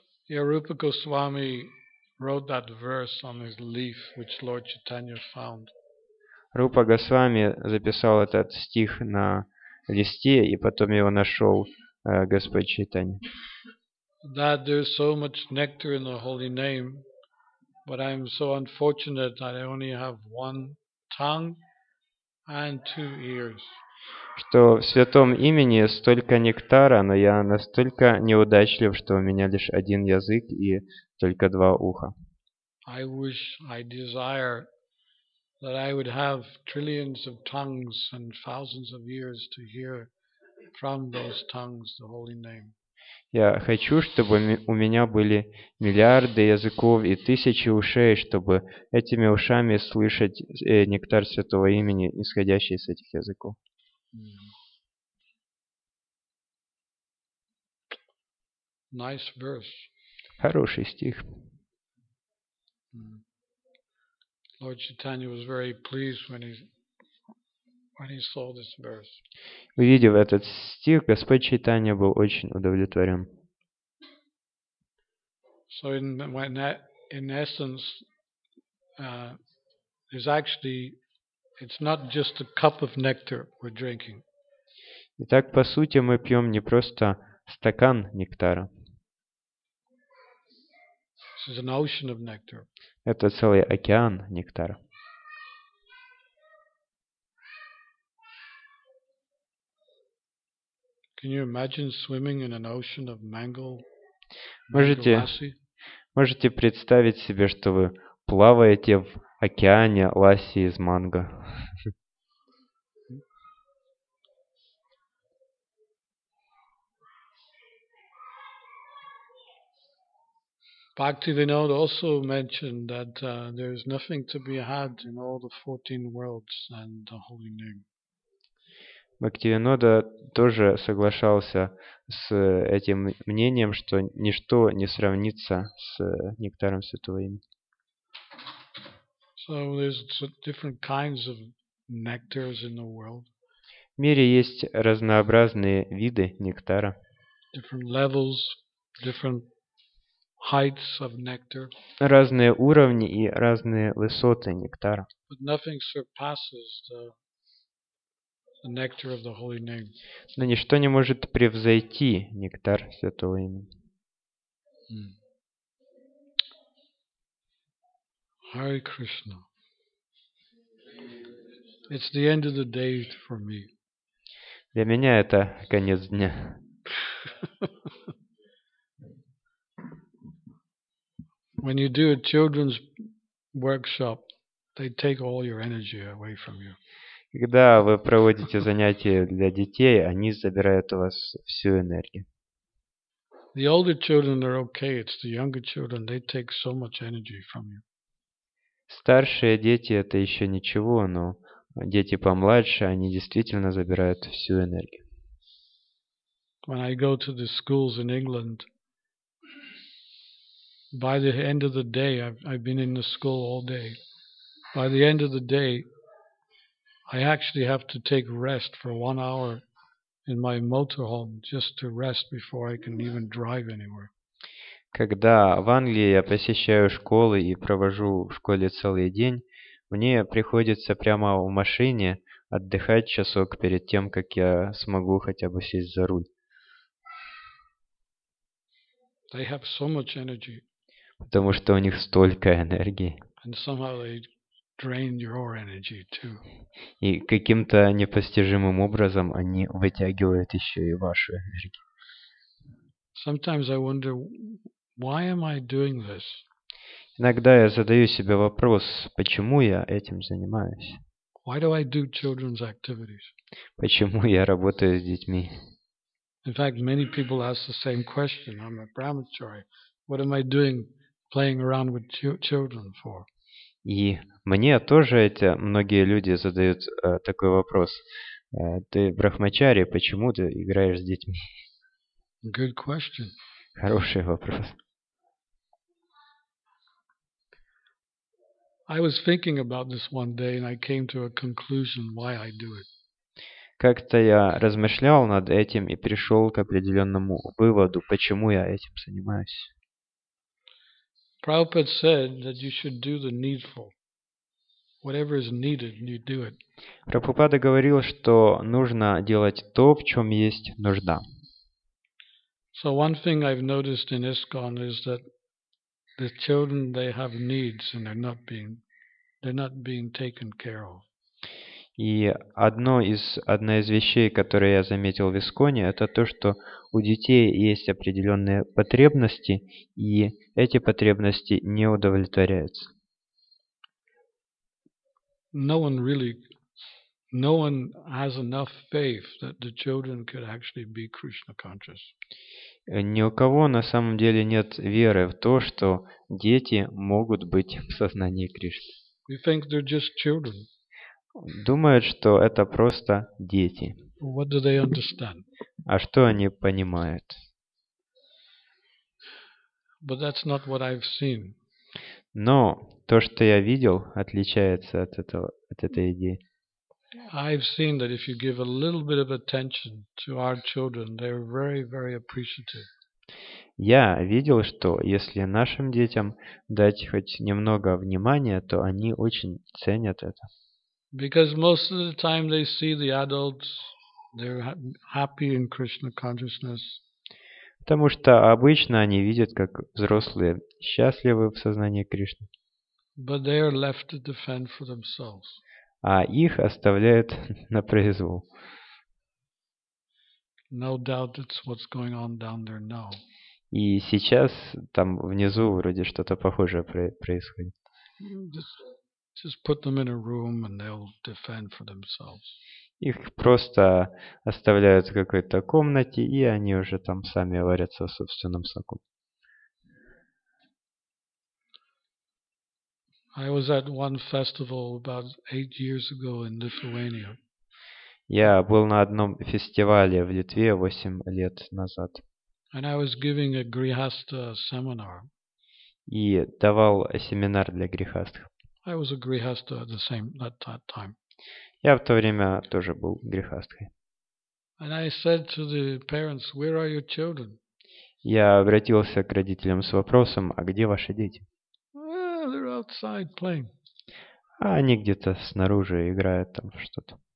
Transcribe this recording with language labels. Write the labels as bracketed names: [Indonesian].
[English] Yeah, Rupa Goswami wrote that verse on his leaf, which Lord Chaitanya found. [Russian] Рупа Госвами записал этот стих на листе, и потом его нашел Господь Чайтанья. [English] That there's so much nectar in the holy name, but I'm so unfortunate that I only have one tongue and two ears. [Russian] Что в святом имени столько нектара, но я настолько неудачлив, что у меня лишь один язык и только два уха. [English] I wish, I desire that I would have trillions of tongues and thousands of ears to hear from those tongues the holy name. [Russian] Я хочу, чтобы у меня были миллиарды языков и тысячи ушей, чтобы этими ушами слышать нектар святого имени, исходящий из этих языков. [English] Nice verse. [Russian] Хороший стих. [English] Lord Chaitanya was very pleased when he saw this verse. [Russian] Увидев этот стих, Господь Чайтанья был очень удовлетворен. [English] So in essence, it's not just a cup of nectar we're drinking. [Russian] Итак, по сути, мы пьем не просто стакан нектара. [English] This is an ocean of nectar. [Russian] Это целый океан нектара. [English] Can you imagine swimming in an ocean of mango? [Russian] Можете представить себе, что вы плаваете в океане ласси из манго? [English] Bhaktivinoda also mentioned that there is nothing to be had in all the 14 worlds and the holy name. [Russian] Бхактивинода тоже соглашался с этим мнением, что ничто не сравнится с нектаром святого имени. [English] So there's different kinds of nectars in the world. [Russian] В мире есть разнообразные виды нектара. [English] Different levels, different heights of nectar. [Russian] Разные уровни и разные высоты нектара. [English] But nothing surpasses the nectar of the holy name. [Russian] Но ничто не может превзойти нектар святого имени. [English] Hare Krishna. It's the end of the day for me. [Russian] Для меня это конец дня. [English] When you do a children's workshop, they take all your energy away from you. [Russian] Когда вы проводите занятия для детей, они забирают у вас всю энергию. [English] The older children are okay, it's the younger children, they take so much energy from you. [Russian] Старшие дети это еще ничего, но дети помладше, они действительно забирают всю энергию. [English] When I go to the schools in England, by the end of the day, I've been in the school all day. By the end of the day, I actually have to take rest for 1 hour in my motorhome just to rest before I can even drive anywhere. [Russian] Когда в Англии я посещаю школы и провожу в школе целый день, мне приходится прямо в машине отдыхать часок перед тем, как я смогу хотя бы сесть за руль. [English] They have so much energy. [Russian] Потому что у них столько энергии. [English] And somehow they drain your energy too. [Russian] И каким-то непостижимым образом они вытягивают еще и вашу энергию. [English] Sometimes I wonder, why am I doing this? [Russian] Иногда я задаю себе вопрос, почему я этим занимаюсь? [English] Why do I do children's activities? [Russian] Почему я работаю с детьми? [English] In fact, many people ask the same question. I'm a brahmachari. What am I doing playing around with children for? [Russian] И мне тоже эти многие люди задают такой вопрос. Ты брахмачари, почему ты играешь с детьми? [English] Good question. [Russian] Хороший вопрос. [English] I was thinking about this one day and I came to a conclusion why I do it. [Russian] Как-то я размышлял над этим и пришел к определенному выводу, почему я этим занимаюсь. [English] Prabhupada said that you should do the needful. Whatever is needed, you do it. [Russian] Прабхупада говорил, что нужно делать то, в чем есть нужда. [English] So one thing I've noticed in ISKCON is that the children, they have needs and they're not being taken care of. [Russian] И одна из вещей, которые я заметил в Исконе, это то, что у детей есть определенные потребности, и эти потребности не удовлетворяются. [English] No one has enough faith that the children could actually be Krishna conscious. [Russian] Ни у кого на самом деле нет веры в то, что дети могут быть в сознании Кришны. [English] We think they're just children. [Russian] Думают, что это просто дети. [English] What do they understand? [Russian] А что они понимают? [English] But that's not what I've seen. [Russian] Но то, что я видел, отличается от этой идеи. [English] I've seen that if you give a little bit of attention to our children, they're very, very appreciative. [Russian] Я видел, что если нашим детям дать хоть немного внимания, то они очень ценят это. [English] Because most of the time they see the adults, they're happy in Krishna consciousness. [Russian] Потому что обычно они видят, как взрослые счастливы в сознании Кришны. [English] But they are left to defend for themselves. [Russian] А их оставляют на произвол. [English] No doubt it's what's going on down there now. [Russian] И сейчас там внизу вроде что-то похожее происходит. [English] Just put them in a room and they'll defend for themselves. [Russian] Их просто оставляют в какой-то комнате, и они уже там сами варятся в собственном соку. [English] I was at one festival about 8 years ago in Lithuania. [Russian] Я был на одном фестивале в Литве 8 лет назад. [English] And I was giving a grihastha seminar. [Russian] И давал семинар для грихастх. [English] I was a grihastha at the same at that time. [Russian] Я в то время тоже был грихастхой. [English] And I said to the parents, "Where are your children?" [Russian] Я обратился к родителям с вопросом, а где ваши дети? [English] They're outside playing. [Russian] А они где-то снаружи играют там что-то.